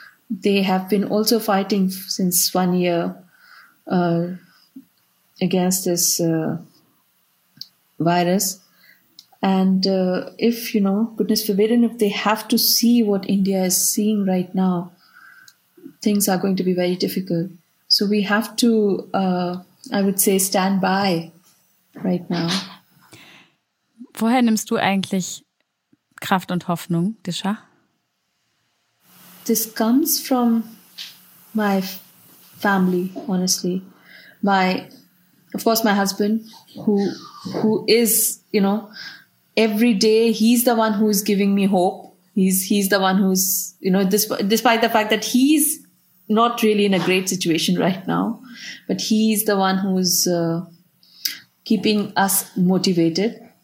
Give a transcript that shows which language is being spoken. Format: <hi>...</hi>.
<en>They have been also fighting since 1 year against this virus. And if they have to see what India is seeing right now, things are going to be very difficult. So we have to, stand by right now.</en> <de>Woher nimmst du eigentlich Kraft und Hoffnung, Disha?</de> <en>This comes from my family, honestly. Of course, my husband, who is every day he's the one who's giving me hope. He's the one who's, despite the fact that he's not really in a great situation right now, but he's the one who's keeping us motivated.</en>